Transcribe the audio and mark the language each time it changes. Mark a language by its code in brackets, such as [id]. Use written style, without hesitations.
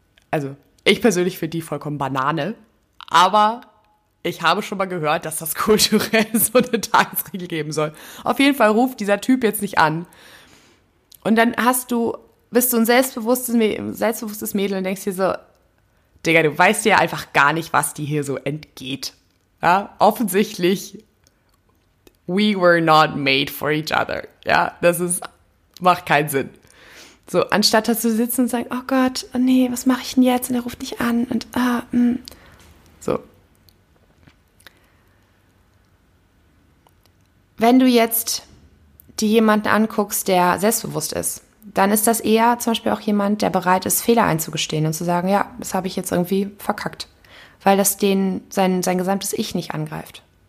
[de] Also ich persönlich finde die vollkommen Banane, aber ich habe schon mal gehört, dass das kulturell so eine Tagesregel geben soll. Auf jeden Fall ruft dieser Typ jetzt nicht an. Und dann bist du ein selbstbewusstes Mädel und denkst dir so, Digga, du weißt ja einfach gar nicht, was dir hier so entgeht. Ja, offensichtlich, [en] we were not made for each other. [de] Ja, das macht keinen Sinn. So, anstatt dass du sitzt und sagst, oh Gott, oh nee, was mache ich denn jetzt? Und er ruft nicht an. So. Wenn du jetzt dir jemanden anguckst, der selbstbewusst ist, dann ist das eher zum Beispiel auch jemand, der bereit ist, Fehler einzugestehen und zu sagen, ja, das habe ich jetzt irgendwie verkackt, weil das sein gesamtes Ich nicht angreift.